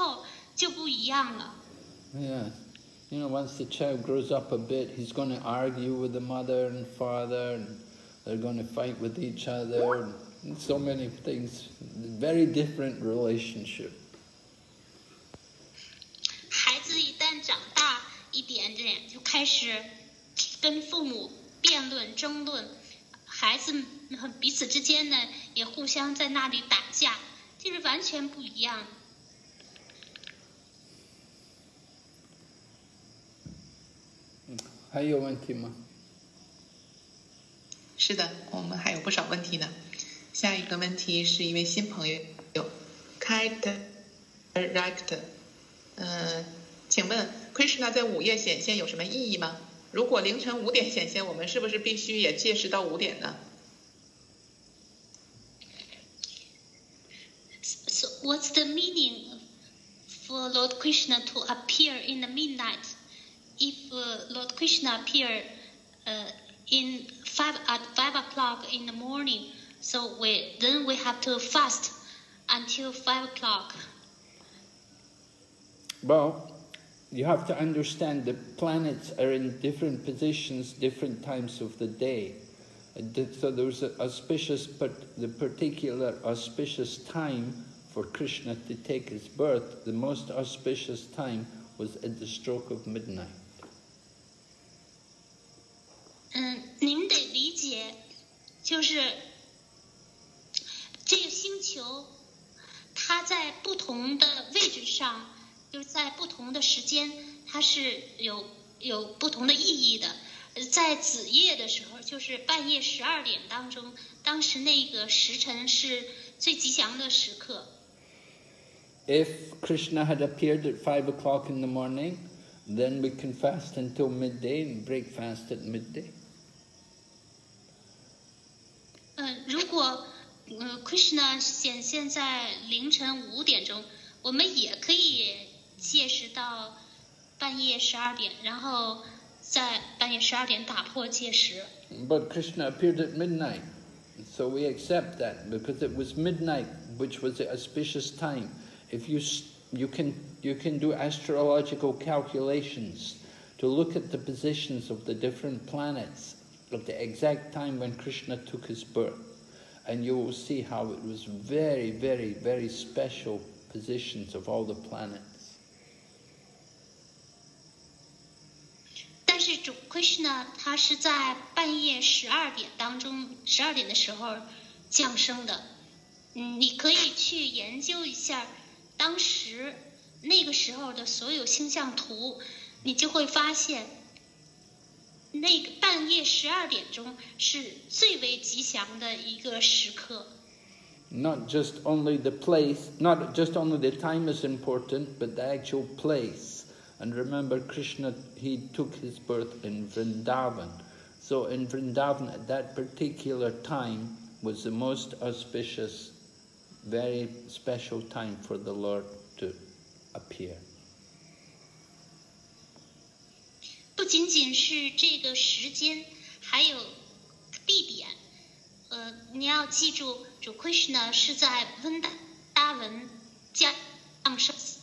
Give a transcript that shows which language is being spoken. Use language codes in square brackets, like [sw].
[zh] 喜悦的，你可以去问一下任何的父母亲，当他们孩子还小的时候呢，这孩子给他们带来的快乐，是他们特别能乐在其中的快乐。当孩子长大之后就不一样了。Yeah, [en] you know, once the child grows up a bit, he's going to argue with the mother and father, and they're going to fight with each other. So many things, very different relationship. [zh] 孩子一旦长大一点点，就开始跟父母辩论、争论，孩子们彼此之间呢也互相在那里打架，就是完全不一样。还有问题吗？是的，我们还有不少问题呢。下一个问题是一位新朋友 ，Kite Director，请问 Krishna 在午夜显现有什么意义吗？如果凌晨五点显现，我们是不是必须也届时到五点呢？ [en] So what's the meaning for Lord Krishna to appear in the midnight? If Lord Krishna appear at five o'clock in the morning, so we have to fast until 5 o'clock. Well, you have to understand the planets are in different positions, different times of the day. So there's the particular auspicious time for Krishna to take his birth. The most auspicious time was at the stroke of midnight. [zh] 您得理解，就是这个星球，它在不同的位置上，就是在不同的时间，它是有不同的意义的。在子夜的时候，就是半夜十二点当中，当时那个时辰是最吉祥的时刻。 [en] If Krishna had appeared at 5 o'clock in the morning, then we can fast until midday and break fast at midday. [zh] 如果Krishna 显现在凌晨五点钟，我们也可以届时到半夜十二点，然后在半夜十二点打破届时。 [en] But Krishna appeared at midnight, so we accept that because it was midnight, which was the auspicious time. If you can do astrological calculations to look at the positions of the different planets at the exact time when Krishna took his birth, and you will see how it was very, very, very special positions of all the planets. [zh] 但是主 Krishna 他是在半夜十二点当中，十二点的时候降生的。你可以去研究一下当时那个时候的所有星象图，你就会发现那个半夜十二点钟是最为吉祥的一个时刻。 [en] Not just only the place, not just only the time is important, but the actual place. And remember, Krishna, he took his birth in Vrindavan. So in Vrindavan, at that particular time was the most auspicious, very special time for the Lord to appear. [zh] 不仅仅是这个时间，还有地点。你要记住，主 Krishna 是在温达达文降生。